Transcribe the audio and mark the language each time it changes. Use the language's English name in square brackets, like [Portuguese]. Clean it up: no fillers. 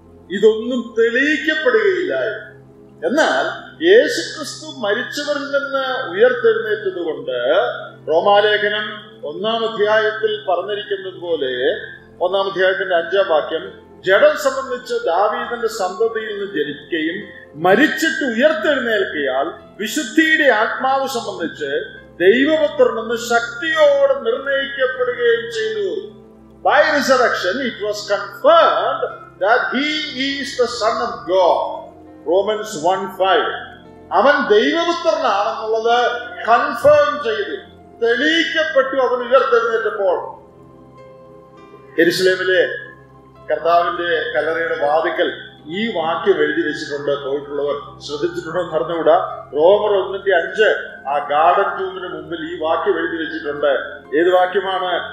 [Malayalam] ഇതൊന്നും തെളിയിക്കപ്പെടുകയില്ലായി. എന്നാൽ യേശു ക്രിസ്തു മരിച്ചവരിൽ നിന്ന് ഉയർത്തെഴുന്നേറ്റത് കൊണ്ട് റോമാലേഖനം 1:5 പറഞ്ഞിരിക്കുന്നത് പോലെ, 1:5 ജഡം സംബന്ധിച്ച് ദാവീദിന്റെ സന്തതിയിൽ നിന്ന് ജനിക്കുകയും മരിച്ചിട്ട് ഉയർത്തെഴുന്നേൽക്കിയാൽ വിശുദ്ധിയുടെ ആത്മാവ് സംബന്ധിച്ച് ദൈവപുത്രനെന്ന് ശക്തിയോടെ നിർണയിക്കപ്പെടുകയും ചെയ്തു. [English] By resurrection, it was confirmed that he is the Son of God. Romans 1:5. [Malayalam] അവൻ ദൈവപുത്രനാണെന്നുള്ളത് കൺഫേം ചെയ്തു, തെളിയിക്കപ്പെട്ടു അവൻ ഉയർത്തെഴുന്നേറ്റപ്പോൾ. യെരുശലേമിലെ കർത്താവിന്റെ കല്ലറയുടെ വാതിക്കൽ ഈ വാക്യം എഴുതി വെച്ചിട്ടുണ്ട്. പോയിട്ടുള്ളവർ ശ്രദ്ധിച്ചിട്ടുണ്ടോ? നടന്നുകൂടാ. റോമർ 1:5 ആ ഗാർഡൻ ടൂമിന് മുമ്പിൽ ഈ വാക്യം എഴുതി വെച്ചിട്ടുണ്ട്. ഏത് വാക്യമാണ്?